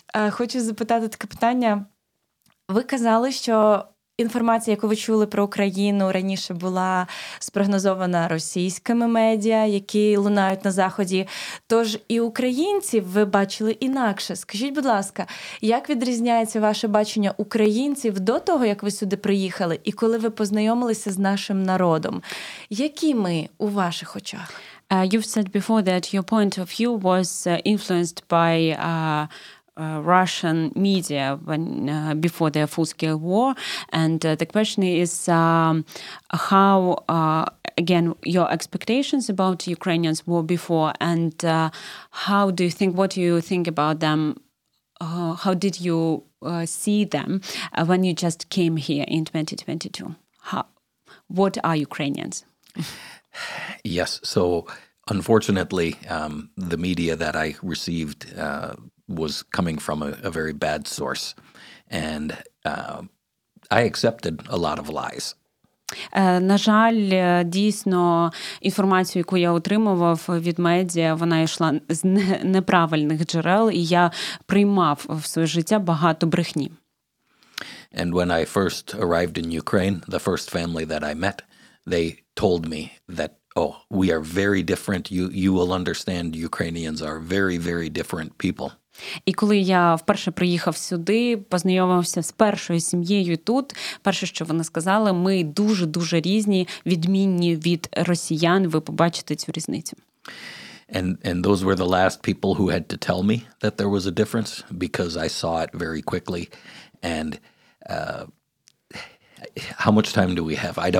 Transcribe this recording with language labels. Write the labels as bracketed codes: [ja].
[uk] Хочу запитати таке питання. Ви казали, що інформація, яку ви чули про Україну, раніше була спрогнозована російськими медіа, які лунають на Заході. Тож і українців ви бачили інакше. Скажіть, будь ласка, як відрізняється ваше бачення українців до того, як ви сюди приїхали, і коли ви познайомилися з нашим народом? Які ми у ваших очах? [en] You've said before that your point of view was influenced by Russian media before the full-scale war, and the question is how again your expectations about Ukrainians were before, and how do you think, what do you think about them, how did you see them when you just came here in 2022? What are Ukrainians? Yes, so unfortunately the media that I received was coming from a very bad source, and I accepted a lot of lies. [uk] На жаль, дійсно, інформацію, яку я отримував від медіа, вона йшла з неправильних джерел, і я приймав в своє життя багато брехні. [en] And when I first arrived in Ukraine, the first family that I met, they told me that, oh, we are very different. You will understand, Ukrainians are very, very different people. [uk] І коли я вперше приїхав сюди, познайомився з першою сім'єю тут, перше, що вони сказали, ми дуже-дуже різні, відмінні від росіян, ви побачите цю різницю. [en] And those were the last people who had to tell me that there was a difference, because I saw it very quickly. And how much time do we have?